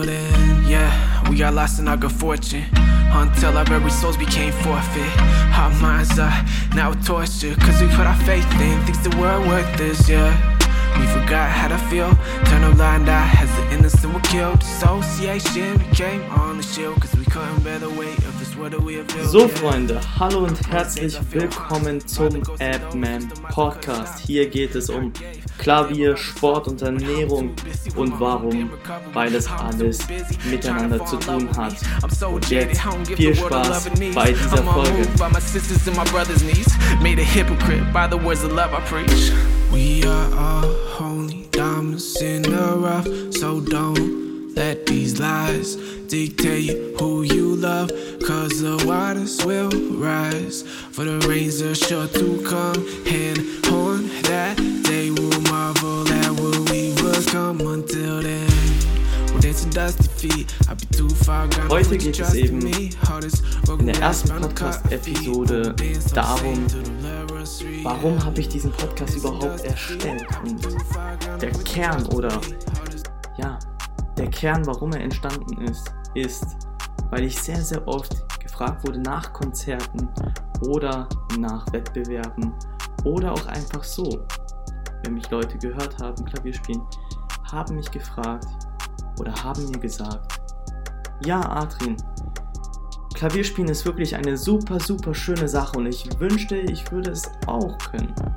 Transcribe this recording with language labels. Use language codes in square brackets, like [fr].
[en] got lost in our good fortune. Until our very souls became forfeit. Our minds are now tortured. Cause we put our faith in things that were worth this, yeah. We forgot how to feel. Turn a blind eye as the innocent were killed. Dissociation became on the shield. Cause we couldn't bear the weight of this world that we have built. [de] So, Freunde, hallo und herzlich willkommen zum AppMan Podcast. Hier geht es um Klavier, Sport und Ernährung und warum beides alles miteinander zu tun hat. Und jetzt viel Spaß bei dieser Folge. [en] By my sisters and my brother's knees, made a hypocrite by the words of love I preach. We are all holy diamonds in the rough, so don't let these lies dictate who you love, cause the waters will rise, for the rains are sure to come, and on that day we'll marvel at what we become. Until then, we'll dance to dust to feet, I'll be too far gone. [de] Heute geht es eben in der ersten Podcast-Episode darum, warum habe ich diesen Podcast überhaupt erstellt, und der Kern oder ja, der Kern, warum er entstanden ist, weil ich sehr, sehr oft gefragt wurde nach Konzerten oder nach Wettbewerben oder auch einfach so, wenn mich Leute gehört haben, Klavier spielen, haben mich gefragt oder haben mir gesagt, ja, Adrian, Klavierspielen ist wirklich eine super, super schöne Sache und ich wünschte, ich würde es auch können.